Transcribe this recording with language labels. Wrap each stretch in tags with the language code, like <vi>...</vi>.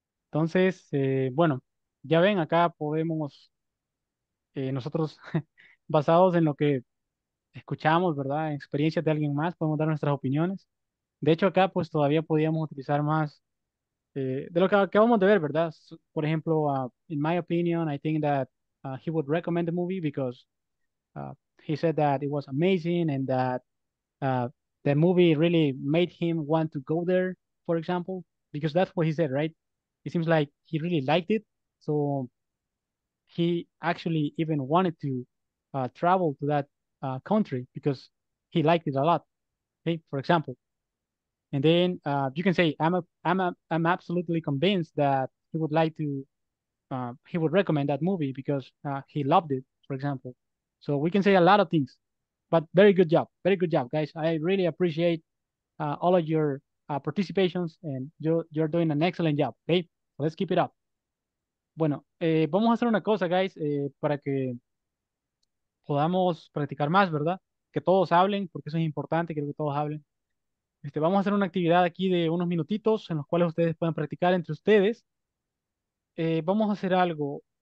<es>Entonces, bueno, ya ven, acá podemos nosotros basados en lo que escuchamos, ¿verdad? Experiencias de alguien más, podemos dar nuestras opiniones. De hecho, acá pues todavía podíamos utilizar más de lo que acabamos de ver, ¿verdad? Por ejemplo,</es> <en>in my opinion, I think that he would recommend the movie because he said that it was amazing and that the movie really made him want to go there, for example, because that's what he said, right? It seems like he really liked it. So he actually even wanted to travel to that country because he liked it a lot, okay, for example. And then you can say, I'm absolutely convinced that he would like to, he would recommend that movie because he loved it, for example. So we can say a lot of things, but very good job, guys. I really appreciate all of your participations and you're doing an excellent job, okay? So let's keep it up.</en> <es>Bueno, vamos a hacer una cosa, guys, para que podamos practicar más, ¿verdad? Que todos hablen, porque eso es importante, creo que todos hablen. Vamos a hacer una actividad aquí de unos minutitos en los cuales ustedes pueden practicar entre ustedes. Vamos a hacer algo.</es>